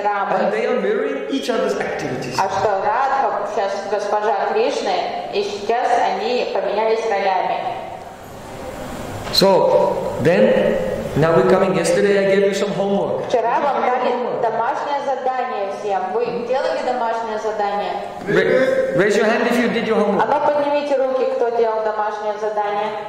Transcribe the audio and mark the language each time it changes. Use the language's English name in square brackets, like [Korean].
[Russian] Рамы, а что Радха сейчас госпожа Кришны, и сейчас они поменялись ролями. [English] So, then, now we're coming. Yesterday I gave you some homework. [Russian] Вчера вам дали домашнее задание всем. Вы делали домашнее задание? [English] Raise your hand if you did your homework. [Russian] А ну поднимите руки, кто делал домашнее задание.